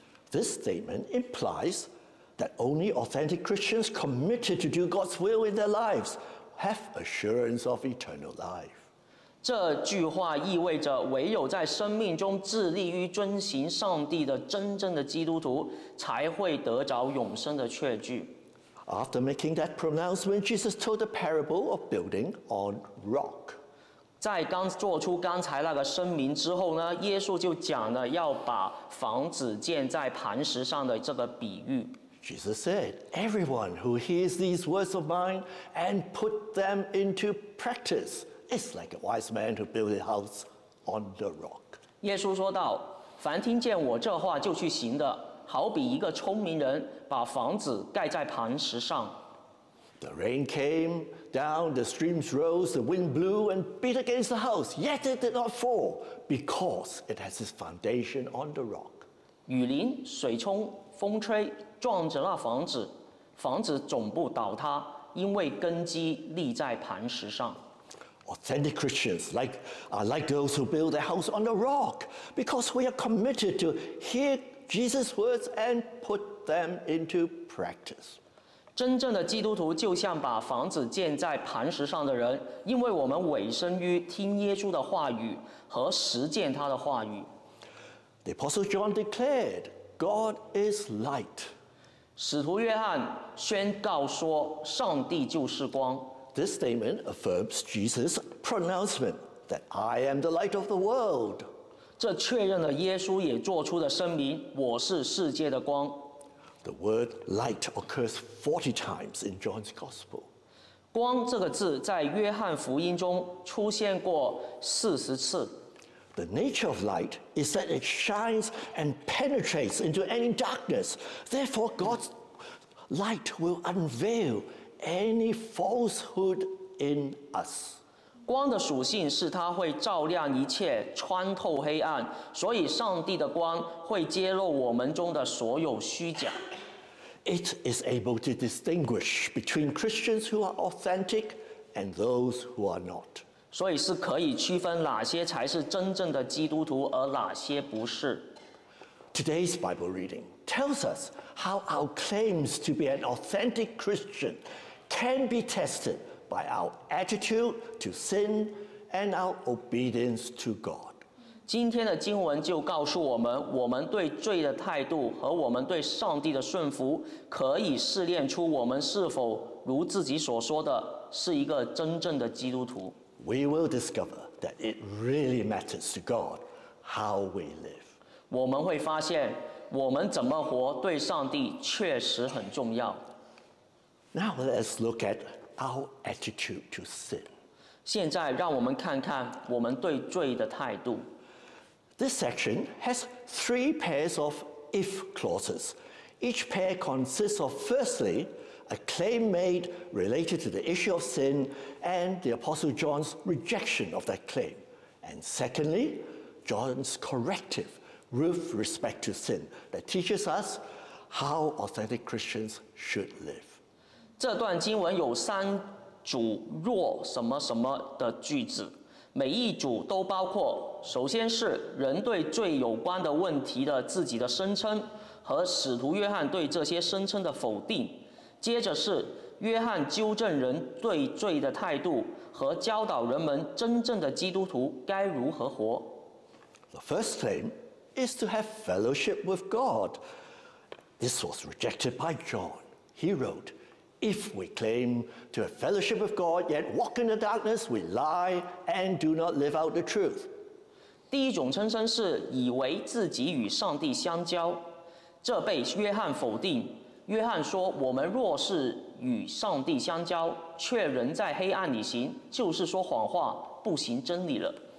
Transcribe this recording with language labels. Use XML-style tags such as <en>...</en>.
<en>This statement implies that only authentic Christians committed to do God's will in their lives have assurance of eternal life.</en> <zh>这句话意味着唯有在生命中致力于遵行上帝的真正的基督徒才会得着永生的确据。</zh> <en>After making that pronouncement, Jesus told the parable of building on rock.</en> <zh>在刚做出刚才那个声明之后呢，耶稣就讲了要把房子建在磐石上的这个比喻。</zh> <en>Jesus said, Everyone who hears these words of mine and put them into practice is like a wise man who built a house on the rock.</en> <zh>耶稣说道，凡听见我这话就去行的，好比一个聪明人把房子盖在磐石上。</zh> <en>The rain came down, the streams rose, the wind blew and beat against the house, yet it did not fall. Because it has its foundation on the rock.</en> <zh>雨淋、水冲、风吹，撞着那房子，房子总不倒塌，因为根基立在磐石上。</zh> <en>Authentic Christians are like those who build their house on the rock, because we are committed to hear Jesus' words and put them into practice.</en> <zh>真正的基督徒就像把房子建在磐石上的人，因为我们委身于听耶稣的话语。和实践他的话语。</zh> <en>The Apostle John declared, God is light.</en> <zh>使徒约翰宣告说，上帝就是光。</zh> <en>This statement affirms Jesus' pronouncement that I am the light of the world.</en> <zh>这确认了耶稣也做出的声明，我是世界的光。</zh> <en>The word light occurs 40 times in John's gospel.</en> <zh>光这个字在约翰福音中出现过40次。</zh> <en>The nature of light is that it shines and penetrates into any darkness. Therefore, God's light will unveil any falsehood in us.</en> <zh>光的属性是它会照亮一切，穿透黑暗，所以上帝的光会揭露我们中的所有虚假。</zh> <en>It is able to distinguish between Christians who are authentic and those who are not.</en> <zh>所以是可以区分哪些才是真正的基督徒，而哪些不是。</zh> <en>Today's Bible reading tells us how our claims to be an authentic Christian can be tested by our attitude to sin and our obedience to God.</en> <zh>今天的经文就告诉我们，我们对罪的态度和我们对上帝的顺服，可以试炼出我们是否如自己所说的是一个真正的基督徒。</zh> <en>We will discover that it really matters to God how we live.</en> <zh>我们会发现，我们怎么活对上帝确实很重要。</zh> <en>Now let's look at our attitude to sin.</en> <zh>现在让我们看看我们对罪的态度。</zh> <en>This section has three pairs of if clauses. Each pair consists of firstly, a claim made related to the issue of sin and the Apostle John's rejection of that claim. And secondly, John's corrective with respect to sin that teaches us how authentic Christians should live.</en> <zh>这段经文有三组若什么什么的句子，每一组都包括，首先是人对罪有关的问题的自己的声称，和使徒约翰对这些声称的否定，接着是约翰纠正人对罪的态度，和教导人们真正的基督徒该如何活。</zh> <en>The first claim is to have fellowship with God. This was rejected by John. He wrote,If we claim to have fellowship with God, yet walk in the darkness, we lie and do not live out the truth.</en> <zh>第一种称称是以为自己与上帝相交，这被约翰否定。约翰说，我们若是与上帝相交，却仍在黑暗里行，就是说谎话，不行真理了。</zh>